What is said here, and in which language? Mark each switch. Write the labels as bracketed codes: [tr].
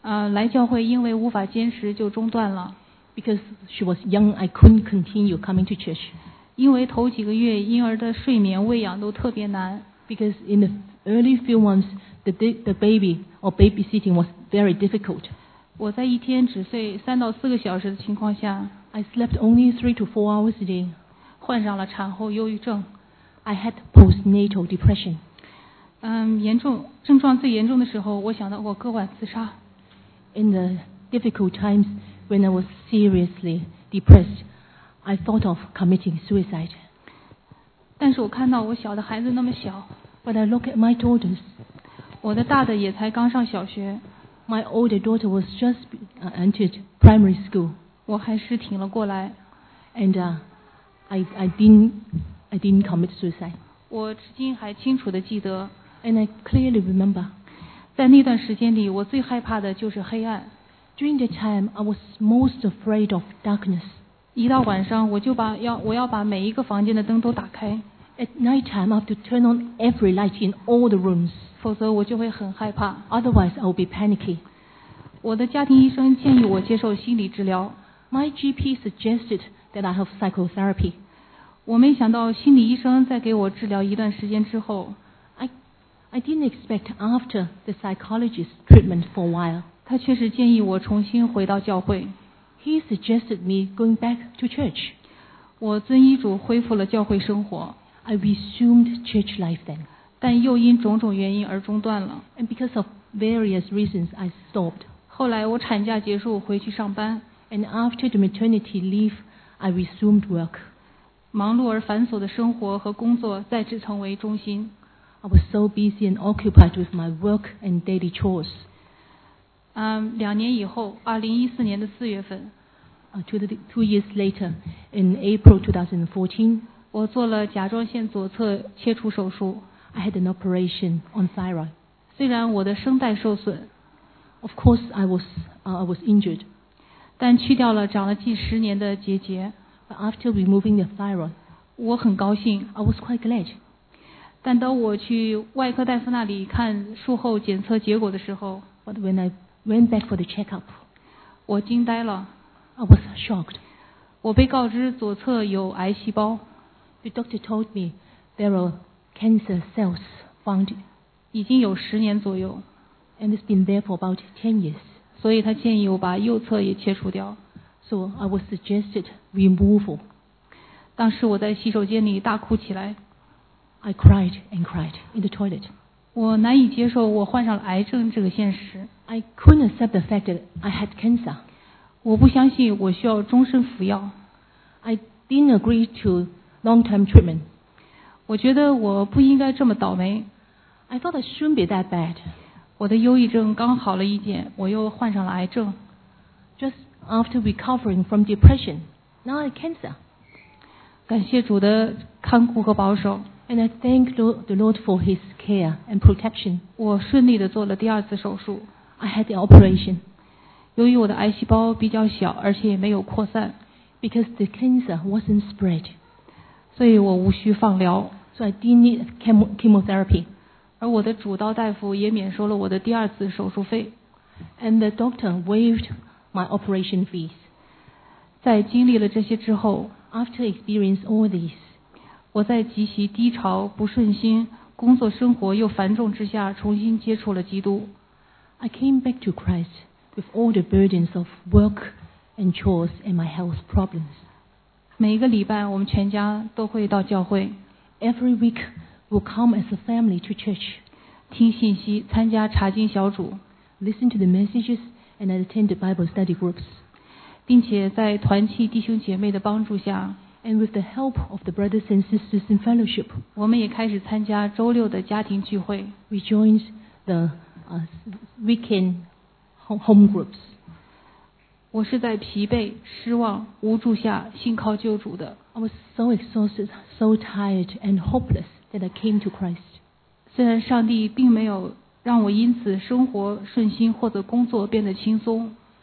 [zh] 来教会因为无法坚持就中断了。 [en] Because she was young, I couldn't continue coming to church. [zh] 因为头几个月婴儿的睡眠喂养都特别难。 [en] Because in the early few months, the baby or babysitting was very difficult. [zh] 我在一天只睡三到四个小时的情况下 [en] I slept only 3 to 4 hours a day. [zh] 患上了产后忧郁症 [en] I had postnatal depression. [zh] 严重症状最严重的时候我想到我割腕自杀 [en] In the difficult times when I was seriously depressed, I thought of committing suicide. [zh] 但是我看到我小的孩子那么小 [en] But I look at my daughters. [zh] 我的大的也才刚上小学 [en] My older daughter was just entered primary school. [zh] 我还是挺了过来。 [en] And I didn't commit suicide. [zh] 我至今还清楚地记得。 [en] And I clearly remember. [zh] 在那段时间里，我最害怕的就是黑暗。 [en] During the time, I was most afraid of darkness. [zh] 一到晚上，我要把每一个房间的灯都打开。 [en] At night time, I have to turn on every light in all the rooms. [zh] 否则我就会很害怕。 [en] Otherwise, I'll be panicky. [zh] 我的家庭医生建议我接受心理治疗。 [en] My GP suggested that I have psychotherapy. [zh] 我没想到心理医生在给我治疗一段时间之后 [en] I didn't expect after the psychologist's treatment for a while. [zh] 他确实建议我重新回到教会。 [en] He suggested me going back to church. [zh] 我遵医嘱恢复了教会生活。 [en] I resumed church life then. [zh] 但又因种种原因而中断了。 [en] And because of various reasons, I stopped. [zh] 后来我产假结束回去上班。 [en] And after the maternity leave, I resumed work. [zh] 忙碌而繁琐的生活和工作再次成为中心。 [en] I was so busy and occupied with my work and daily chores. [zh] 两年以后，2014年的四月份。 [en] Two years later, in April 2014, [zh] 我做了甲状腺左侧切除手术。 [en] I had an operation on thyroid. [zh] 虽然我的声带受损 [en] ，Of course I was injured， [zh] 但去掉了长了近十年的结节 [en] ，But after removing the thyroid， [zh] 我很高兴 [en] ，I was quite glad。 [zh] 但当我去外科大夫那里看术后检测结果的时候 [en] ，But when I went back for the checkup， [zh] 我惊呆了 [en] ，I was shocked。 [zh] 我被告知左侧有癌细胞 [en] ，The doctor told me there are cancer cells found。 [zh] 已经有十年左右 [en] ，and it's been there for about 10 years。 [zh] 所以他建议我把右侧也切除掉 [en] ，so I was suggested removal。 [zh] 当时我在洗手间里大哭起来 [en] ，I cried and cried in the toilet。 [zh] 我难以接受我患上了癌症这个现实 [en] ，I couldn't accept the fact that I had cancer。 [zh] 我不相信我需要终身服药 [en] ，I didn't agree to long-term treatment。 [zh] 我觉得我不应该这么倒霉。 [en] I thought I shouldn't be that bad. [zh] 我的忧郁症刚好了一点，我又患上了癌症。 [en] Just after recovering from depression, now I have cancer. [zh] 感谢主的看顾和保守。 [en] And I thank the Lord for His care and protection. [zh] 我顺利地做了第二次手术。 [en] I had the operation. [zh] 由于我的癌细胞比较小，而且也没有扩散。 [en] Because the cancer wasn't spread. [zh] 所以我无需放疗。 [en] So I didn't need chemotherapy. [zh] 而我的主刀大夫也免收了我的第二次手术费 [en] ，and the doctor waived my operation fees。 [zh] 在经历了这些之后 [en] ，after experience all these， [zh] 我在极其低潮、不顺心、工作生活又繁重之下，重新接触了基督。 [en] I came back to Christ with all the burdens of work and chores and my health problems。 [zh] 每一个礼拜，我们全家都会到教会。 [en] Every week。 Will come as a family to church, [zh] 听信息，参加查经小组 [en] ，listen to the messages and attend the Bible study groups, [zh] 并且在团契弟兄姐妹的帮助下 [en] ，and with the help of the brothers and sisters in fellowship, [zh] 我们也开始参加周六的家庭聚会 [en] ，we joined the weekend home groups. [zh] 我是在疲惫、失望、无助下信靠救主的 [en] ，I was so exhausted, so tired and hopeless. That I came to Christ. [zh] 虽然上帝并没有让我因此生活顺心或者工作变得轻松